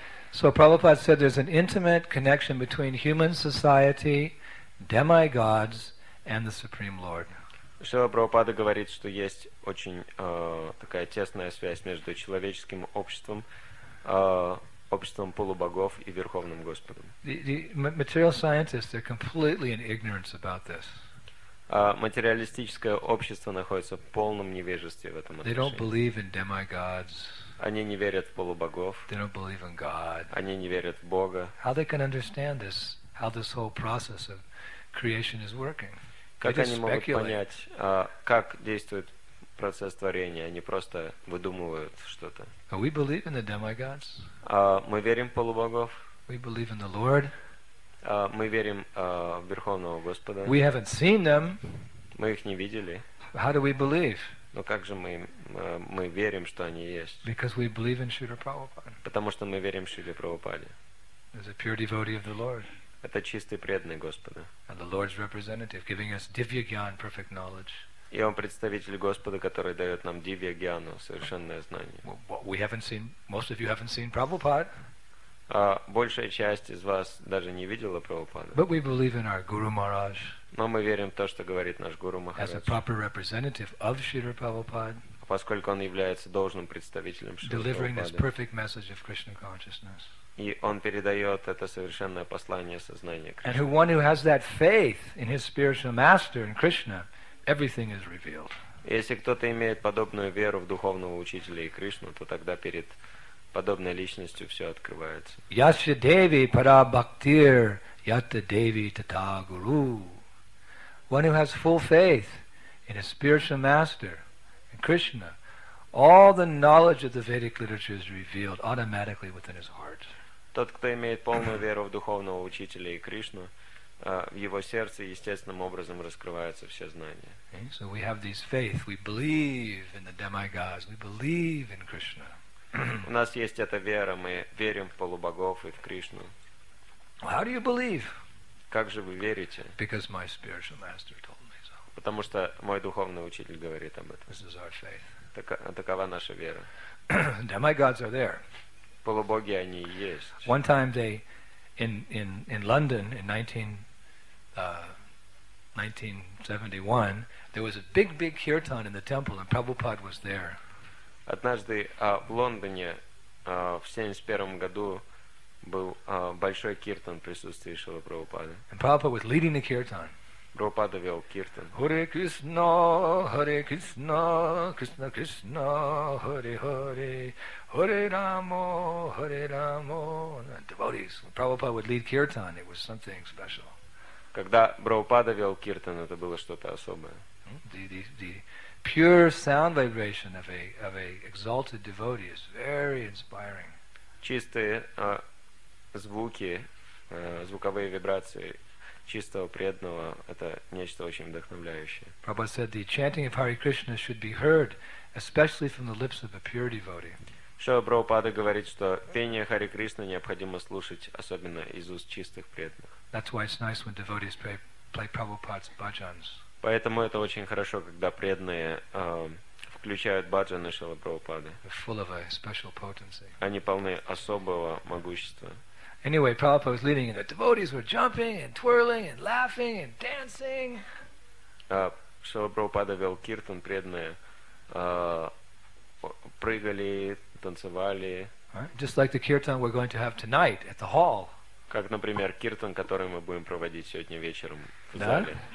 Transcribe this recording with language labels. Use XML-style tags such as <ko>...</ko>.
<en>So Prabhupada said there's an intimate connection between human society, demigods, and the Supreme Lord.</en> <ru>Шрила Прабхупада говорит, что есть очень такая тесная связь между человеческим обществом, обществом полубогов и Верховным Господом.</ru> <en>The material scientists are completely in ignorance about this.</en> <ru>Материалистическое общество находится в полном невежестве в этом отношении.</ru> <en>They don't believe in demigods.</en> <ru>Они не верят в полубогов.</ru> <en>They don't believe in God.</en> <ru>Они не верят в Бога.</ru> <en>How they can understand this? How this whole process of creation is working?</en> <ru>Как они могут понять, как действует процесс творения, они просто выдумывают что-то.</ru> <en>We believe in the demigods.</en> <ru>Мы верим в полубогов.</ru> <en>We believe in the Lord.</en> <ru>Мы верим в Верховного Господа.</ru> <en>We haven't seen them.</en> <ru>Мы их не видели.</ru> <en>How do we believe?</en> <ru>Но как же мы верим, что они есть?</ru> <en>Because we believe in Śrīla Prabhupāda.</en> <ru>Потому что мы верим в Śrīla Prabhupāda.</ru> <en>As a pure devotee of the Lord.</en> <ru>Это чистый преданный Господа.</ru> <en>And the Lord's representative giving us divya gyan, perfect knowledge.</en> <ru>И он представитель Господа, который дает нам дивья гьяну, совершенное знание.</ru> <en>We haven't seen, most of you haven't seen Prabhupada.</en> <ru>Большая часть из вас даже не видела Прабхупаду.</ru> <en>But we believe in our Guru Maharaj.</en> <ru>Но мы верим в то, что говорит наш Гуру Махарадж.</ru> <en>As a proper representative of Śrīla Prabhupāda.</en> <ru>Поскольку он является должным представителем Śrīla Prabhupāda.</ru> <en>Delivering this perfect message of Krishna consciousness.</en> <ru>И он передает это совершенное послание сознания Кришны.</ru> <en>And who one who has that faith in his spiritual master in Krishna, everything is revealed.</en> <ru>Если кто-то имеет подобную веру в духовного учителя и Кришну, то тогда перед подобной личностью все открывается.</ru> <sa>Yasya Devi para bhaktir yata devi tata guru.</sa> <en>One who has full faith in his spiritual master, in Krishna, all the knowledge of the Vedic literature is revealed automatically within his heart.</en> <ru>Тот, кто имеет полную веру в духовного учителя и Кришну, в его сердце естественным образом раскрываются все знания.</ru> <en>So we have this faith. We believe in the demigods. We believe in Krishna.</en> <ru>У нас есть эта вера. Мы верим в полубогов и в Кришну.</ru> <en>How do you believe?</en> <ru>Как же вы верите?</ru> <en>Because my spiritual master told me so.</en> <ru>Потому что мой духовный учитель говорит об этом.</ru> <en>This is our faith.</en> <ru>Такова наша вера.</ru> <en>Demigods are there.</en> <ru>Полубоги, они есть.</ru> <en>One time they in London in 1971 there was a big kirtan in the temple and Prabhupada was there.</en> <ru>Однажды в Лондоне в 71 году был большой киртан в присутствии Шрилы Прабхупады.</ru> <en>And Prabhupada was leading the kirtan.</en> <ru>Prabhupada вел киртан.</ru> <sa>Hare Krishna, Hare Krishna, Krishna Krishna, Hare Hare, Hare Rama, Hare Rama.</sa> <en>And devotees, when Prabhupada would lead kirtan, it was something special.</en> <ru>Когда Прабхупада вел киртан, это было что-то особое.</ru> <en>The pure sound vibration of a exalted devotee is very inspiring.</en> <ru>Чистые звуки, звуковые вибрации чистого преданного – это нечто очень вдохновляющее.</ru> <en>Prabhupada said the chanting of Hare Krishna should be heard, especially from the lips of a pure devotee.</en> <ru>Шрила Прабхупада говорит, что пение Харе Кришна необходимо слушать, особенно из уст чистых преданных.</ru> <en>That's why it's nice when devotees play Prabhupada's bhajans.</en> <ru>Поэтому это очень хорошо, когда преданные включают бхаджаны Шрилы Прабхупады.</ru> <en>Full of a special potency.</en> <ru>Они полны особого могущества.</ru> <en>Anyway, Prabhupada was leading, and the devotees were jumping and twirling and laughing and dancing.</en> <ru>Шрила Прабхупада вел киртан, преданные прыгали, танцевали.</ru> <en>Just like the kirtan we're going to have tonight at the hall.</en> <ru>Как, например, киртан, который мы будем проводить сегодня вечером в зале.</ru>